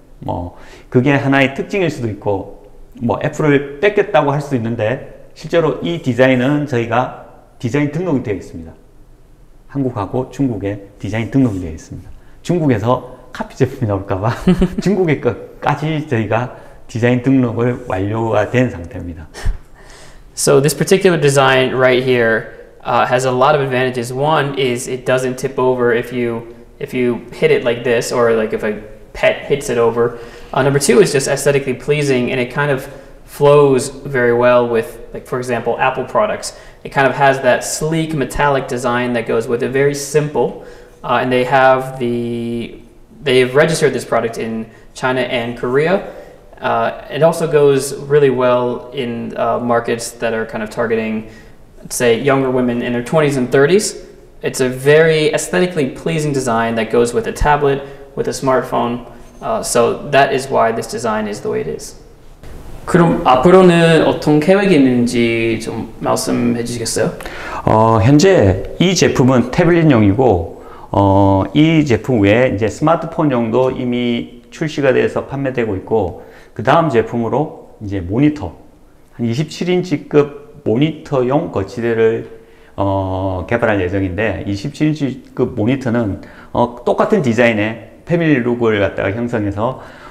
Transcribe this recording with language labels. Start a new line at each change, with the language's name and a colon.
Korean: 뭐, 그게 하나의 특징일 수도 있고, 뭐, 애플을 뺏겼다고 할 수도 있는데, 실제로 이 디자인은 저희가 디자인 등록이 되어 있습니다. 한국하고 중국에 디자인 등록이 되어 있습니다. 중국에서 카피 제품이 나올까봐 중국의 것까지 저희가 디자인 등록을 완료가 된 상태입니다.
English: So this particular design right here has a lot of advantages. One is it doesn't tip over if you hit it like this, or like if a pet hits it over. Number two is just aesthetically pleasing, and it kind of flows very well with, like, for example, Apple products. It kind of has that sleek metallic design that goes with it, very simple. And they have they've registered this product in China and Korea. It also goes really well in markets that are kind of targeting, say, younger women in their 20s and 30s. It's a very aesthetically pleasing design that goes with a tablet, with a smartphone. So that is why this design is the way it is.
Korean: 그럼 앞으로는 어떤 계획이 있는지 좀 말씀해 주시겠어요? 현재 이 제품은 태블릿용이고, 이 제품 외에 이제 스마트폰용도 이미 출시가 돼서 판매되고 있고, 그 다음 제품으로 이제 모니터, 한 27인치급 모니터용 거치대를 개발할 예정인데, 27인치급 모니터는 똑같은 디자인의 패밀리 룩을 갖다가 형성해서